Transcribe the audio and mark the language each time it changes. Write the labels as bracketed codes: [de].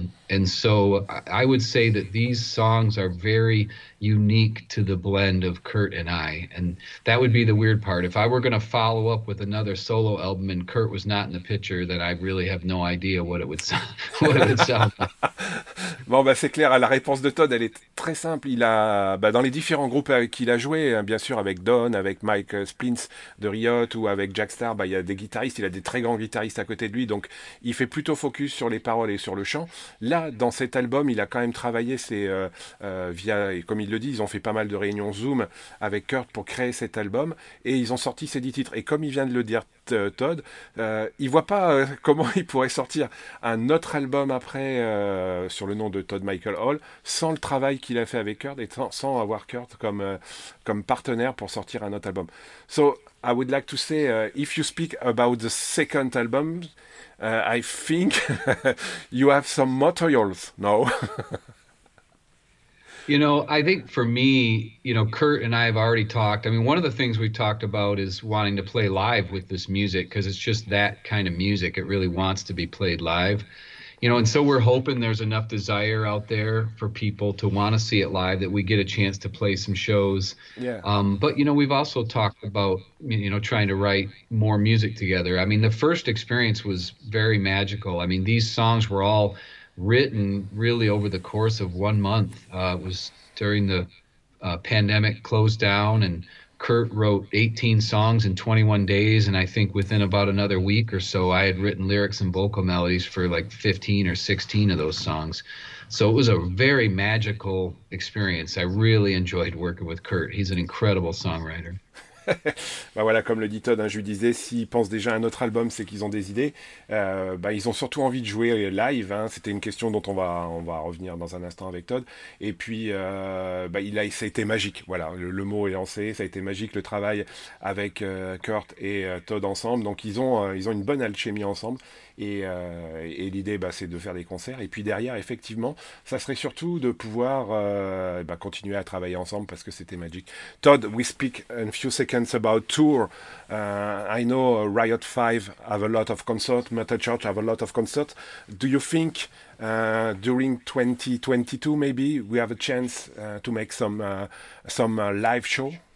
[en] And so I would say that these songs are very unique to the blend of Kurt and I. And that would be the weird part. If I were going to follow up with another solo album and Kurt was not in the picture, then I really have no idea what it would what it would sound like. [fr] Bon, bah, c'est clair, la réponse de Todd, elle est très simple. Il a, bah, dans les différents groupes avec qui il a joué, hein, bien sûr, avec Don, avec Mike Splints de Riot ou avec Jack Starr, bah, il y a des guitaristes, il a des très grands guitaristes à côté de lui, donc il fait plutôt focus sur les paroles et sur le chant. Là, dans cet album, il a quand même travaillé via, et comme il le dit, ils ont fait pas mal de réunions Zoom avec Kurt pour créer cet album et ils ont sorti ces 10 titres. Et comme il vient de le dire, Todd, il voit pas comment il pourrait sortir un autre album après sur le nom de Todd Michael Hall sans le travail qu'il a fait avec Kurt et sans avoir Kurt comme partenaire pour sortir un autre album. [en] So I would like to say if you speak about the second album, I think you have some materials now. I think for me, Kurt and I have already talked. I mean, one of the things we've talked about is wanting to play live with this music because it's just that kind of music. It really wants to be played live. And so we're hoping there's enough desire out there for people to want to see it live that we get a chance to play some shows. But we've also talked about, trying to write more music together. I mean, the first experience was very magical. I mean, these songs were all written really over the course of 1 month. It was during the pandemic closed down, and Kurt wrote 18 songs in 21 days. And I think within about another week or so, I had written lyrics and vocal melodies for like 15 or 16 of those songs. So it was a very magical experience. I really enjoyed working with Kurt. He's an incredible songwriter. [fr] Bah voilà, comme le dit Todd, hein, je lui disais, s'ils pensent déjà à un autre album, c'est qu'ils ont des idées. Bah ils ont surtout envie de jouer live, hein. C'était une question dont on va revenir dans un instant avec Todd. Et puis, bah, ça a été magique. Voilà, le mot est lancé, ça a été magique le travail avec Kurt et Todd ensemble. Donc ils ont une bonne alchimie ensemble. Et l'idée, bah, c'est de faire des concerts. Et puis derrière, effectivement, ça serait surtout de pouvoir bah, continuer à travailler ensemble parce que c'était magique. [en] Todd, we speak in a few seconds about tour. I know Riot 5 have a lot of concerts, Metal Church have a lot of concerts. Do you think during 2022, maybe we have a chance to make some live show?